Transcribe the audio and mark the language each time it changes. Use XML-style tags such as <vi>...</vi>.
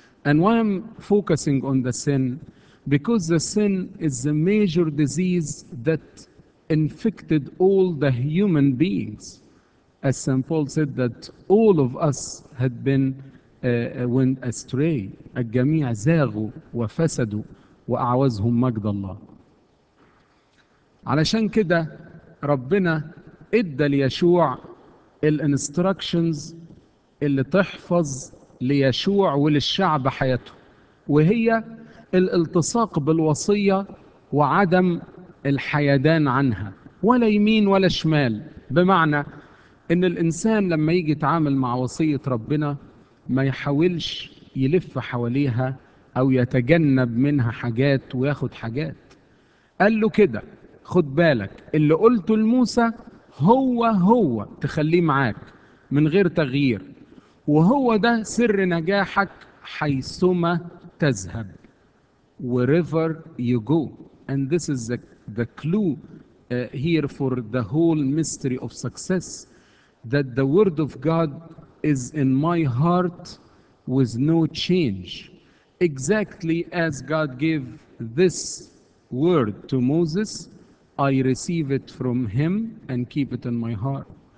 <en>And why I'm focusing on the sin? Because the sin is the major disease that infected all the human beings. As St. Paul said that all of us had been went astray.</en> <ar>الجميع زاغوا وفسدوا وأعوزهم مجد الله. علشان كده ربنا ادى ليشوع الانستراكشنز اللي تحفظ ليشوع وللشعب حياته، وهي الالتصاق بالوصية وعدم الحيدان عنها، ولا يمين ولا شمال. بمعنى ان الانسان لما يجي يتعامل مع وصية ربنا ما يحاولش يلف حواليها او يتجنب منها حاجات وياخد حاجات. قال له كده، خد بالك اللي قلته لموسى هو تخليه معاك من غير تغيير، وهو ده سر نجاحك حيثما تذهب.</ar> <en>Wherever you go. And this is the clue here for the whole mystery of success, that the word of God is in my heart with no change. Exactly as God gave this word to Moses, I receive it from him and keep it in my heart.</en>